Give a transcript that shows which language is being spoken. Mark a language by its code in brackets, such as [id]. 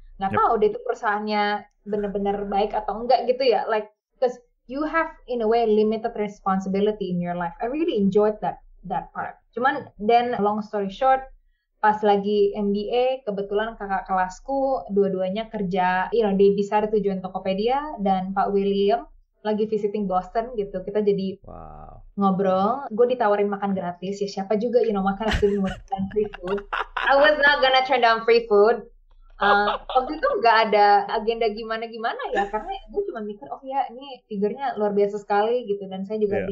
[id] nggak tahu deh itu perusahaannya benar-benar baik atau enggak gitu ya. [en] Like, because you have in a way limited responsibility in your life. I really enjoyed that part. [id] Cuman [en] then long story short, [id] pas lagi MBA, kebetulan kakak kelasku dua-duanya kerja, [en] you know, they decided to join Tokopedia, [id] dan Pak William lagi [en] visiting [id] Boston gitu. Kita jadi [en] Wow. [id] ngobrol, gue ditawarin makan gratis, ya siapa juga, [en] you know, [id] makan [en] student with free food. I was not gonna turn down free food. [id] Waktu itu nggak ada agenda gimana-gimana ya, karena gue cuma mikir, oh ya ini figurnya luar biasa sekali gitu, dan saya juga